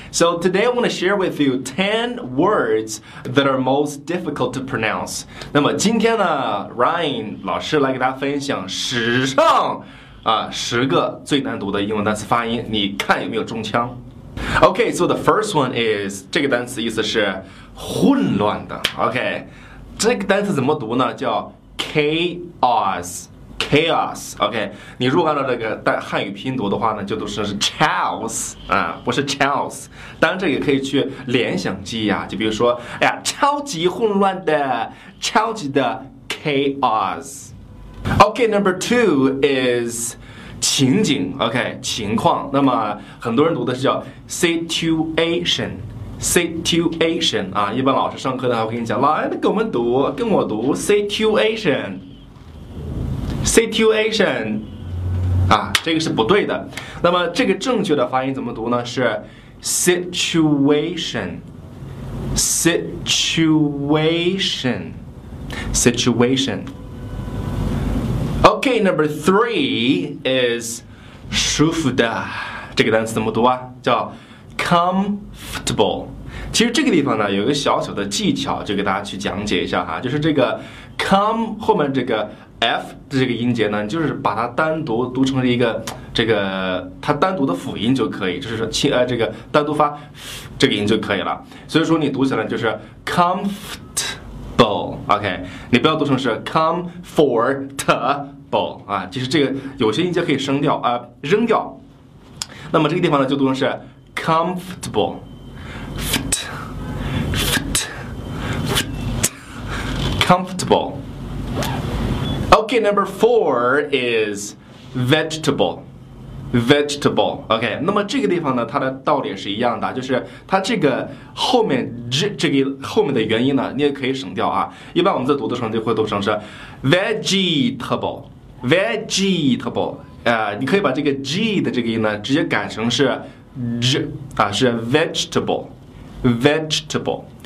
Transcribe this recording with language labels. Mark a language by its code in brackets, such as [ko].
[en] So today I want to share with you 10 words that are most difficult to pronounce. [zh] 那么今天呢 ,Ryan 老师来给大家分享史上十个最难读的英文单词发音，你看有没有中枪。 [en] Okay, so the first one is, [zh] 这个单词意思是混乱的。 Okay, 这个单词怎么读呢？叫 chaos. Chaos, OK, 你如果按照这个汉语拼读的话呢，就读成是 Chaos, 啊，不是 Chaos, 当然这也可以去联想记忆啊，就比如说，哎呀，超级混乱的，超级的 Chaos. OK, [en] number two is [zh] 情景 OK, 情况，那么很多人读的是叫 SituationSituation, 啊，一般老师上课的话会跟你讲，来，跟我们读，跟我读 SituationSituation, 啊，这个是不对的。那么这个正确的发音怎么读呢？ [en] 是 situation, situation, situation. Okay, number three is 舒服的。 [zh] 这个单词怎么读啊？叫 comfortable。其实这个地方呢，有一个小小的技巧，就给大家去讲解一下哈，就是这个 come 后面这个。 F 的这个音节呢，就是把它单独读成了一个这个它单独的辅音就可以，就是说这个单独发这个音就可以了。所以说你读起来就是 comfortable, OK, 你不要读成是 comfortable, 啊，其实这个有些音节可以升掉啊，扔掉。那么这个地方呢就读成是 comfortable,comfortable. [en] Okay, number four is vegetable. Vegetable. [zh] Okay, 那么这个地方呢，它的道理是一样的，就是它这个后面这个后面的元音呢，你也可以省掉啊。一般我们在读的时候就会读成是 vegetable, vegetable. 你可以把这个 g 的这个音呢，直接改成是 z 啊，是 vegetable, vegetable.